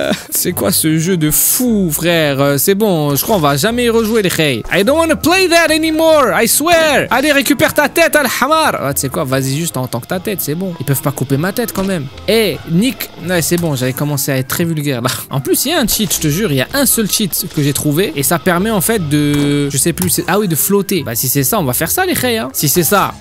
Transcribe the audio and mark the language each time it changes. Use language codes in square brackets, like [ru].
[fr] C'est quoi ce jeu de fou, frère? C'est bon, je crois qu'on va jamais y rejouer, les Rey. [en] I don't wanna play that anymore, I swear. [fr] Allez, récupère ta tête, Al-Hamar. Ah, tu sais quoi, vas-y juste en tant que ta tête, c'est bon. Ils peuvent pas couper ma tête, quand même. Eh, Nick. Ouais, c'est bon, j'avais commencé à être très vulgaire, là. En plus, il y a un cheat, je te jure, il y a un seul cheat que j'ai trouvé. Et ça permet, en fait, de... Je sais plus, c'est... Ah oui, de flotter. Bah, si c'est ça, on va faire ça, les Rey, hein. Si c'est ça.